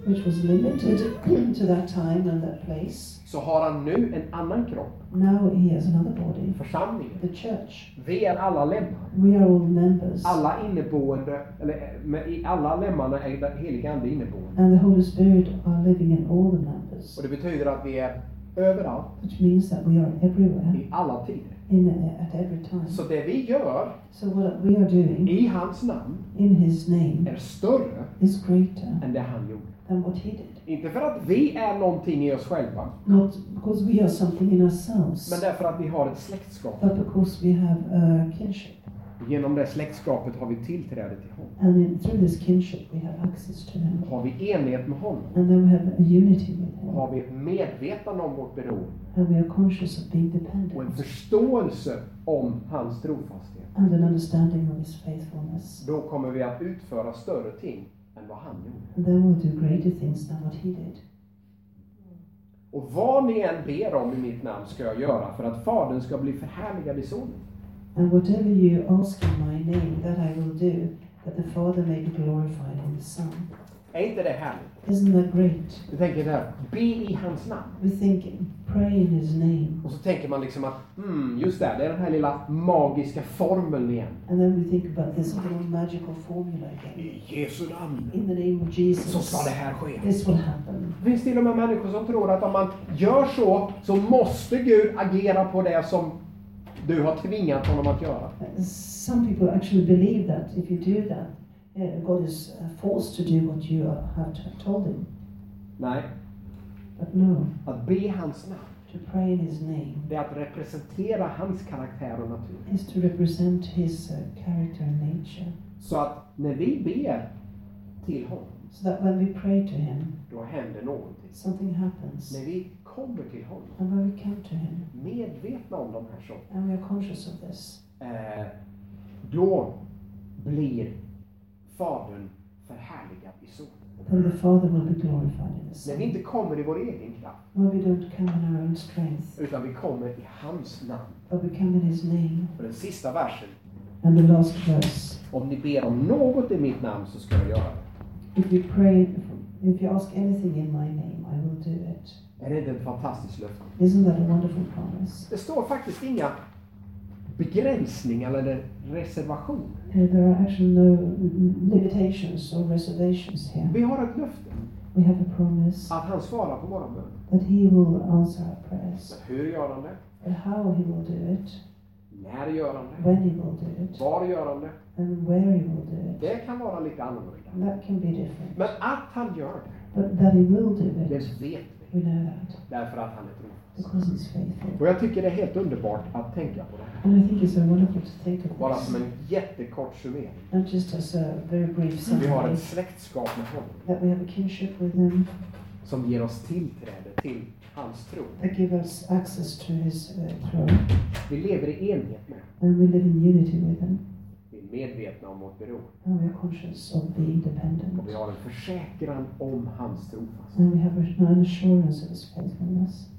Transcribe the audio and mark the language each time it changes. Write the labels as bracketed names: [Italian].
[English] which was limited to that time and that place, [Swedish] så har han nu en annan kropp. [English] Now he has another body, [Swedish] församlingen, [English] the church. [Swedish] Vi är alla lemmar. [English] We are all members. [Swedish] Alla inneboende, eller i alla lemmarna är den helige ande inneboende. [English] And the Holy Spirit are living in all the members. [Swedish] Och det betyder att vi är överallt, [English] which means that we are everywhere, [Swedish] i alla tider. [English] In at every time. [Swedish] Så det vi gör, [English] so what we are doing, [Swedish] i hans namn, [English] in his name, [Swedish] är större, [English] is greater, [Swedish] än det han gjorde, [English] than what he did. [Swedish] Inte för att vi är någonting i oss själva, [English] not because we are something in ourselves, [Swedish] men därför att vi har ett släktskap, [English] but because we have a kinship. [Swedish] Genom det släktskapet har vi tillträde till honom. [English] And through this kinship we have access to him. [Swedish] Har vi enhet med honom? [English] And then we have a unity with him. [Swedish] Har vi ett medvetande om vårt beroende? [English] And we are conscious of being dependent. [Swedish] Och en förståelse om hans trofasthet. [English] And an understanding of his faithfulness. [Swedish] Då kommer vi att utföra större ting än vad han gjorde. [English] And then we'll do greater things than what he did. [Swedish] Och vad ni än ber om i mitt namn ska jag göra, för att Fadern ska bli förhärligad i Sonen. [English] And whatever you ask in my name, that I will do, that the Father may be glorified in the Son. [Swedish] Är inte det härligt? [English] Isn't that great? [Swedish] Vi tänker där, be i hans namn. [English] We think, pray in his name. [Swedish] Och så tänker man liksom att, just det är den här lilla magiska formeln igen. [English] And then we think about this little magical formula again. [Swedish] I Jesu namn. [English] In the name of Jesus. [Swedish] Så ska det här ske. [English] This will happen. [Swedish] Finns till och med människor som tror att om man gör så, så måste Gud agera på det som du har tvingat honom att göra. [English] Some people actually believe that if you do that, God is forced to do what you have told him. [Swedish] Nej. [English] But no. [Swedish] Att be hans namn. [English] To pray in his name. [Swedish] Det är att representera hans karaktär och natur. [English] Is to represent his character and nature. [Swedish] Så att när vi ber till honom, [English] so that when we pray to him, [Swedish] då händer någonting. [English] Something happens. [Swedish] När vi kommer till honom, [English] and when we come to him, [Swedish] medvetna om de här sakerna, [English] and we are conscious of this, [Swedish] då blir Fadern förhärligad i Sonen. [English] Then the Father will be glorified in the Son. [Swedish] När vi inte kommer i vår egen kraft, [English] when we don't come in our own strength, [Swedish] utan vi kommer i hans namn, [English] but we come in his name. [Swedish] Och den sista versen, [English] and the last verse, [Swedish] om ni ber om något i mitt namn så ska jag göra det. [English] If you pray, if you ask anything in my name, I will do it. [Swedish] Är det inte ett fantastiskt löfte? [English] Isn't that a wonderful promise? [Swedish] Det står faktiskt inga begränsningar eller reservationer. [English] There are actually no limitations or reservations here. [Swedish] Vi har ett löfte. [English] We have a promise. [Swedish] Att han svarar på våra bön. [English] That he will answer our prayers. [Swedish] Men hur gör han det? [English] And how he will do it. [Swedish] När gör han det? [English] When he will do it. [Swedish] Var gör han det? [English] And where he will do it. [Swedish] Det kan vara lite annorlunda. [English] That can be different. [Swedish] Men att han gör det, [English] but that he will do it, [Swedish] det vet vi. [English] We know that. [Swedish] Därför att han är trofast. [English] Because he's faithful. [Swedish] Och jag tycker det är helt underbart att tänka på det här. [English] And I think it's so wonderful to think of. [Swedish] Bara som en jättekort summering. [English] And just as a very brief summary. [Swedish] Vi har ett släktskap med honom. [English] That we have a kinship with him. [Swedish] Som ger oss tillträde till hans tro. [English] That give us access to his throne. [Swedish] Vi lever i enhet med. [English] And we live in unity with him. [Swedish] Vi är medvetna om vårt bero. [English] And we are conscious of being dependent. [Swedish] Och vi har en försäkran om hans trofasthet. [English] And we have an assurance of his faithfulness.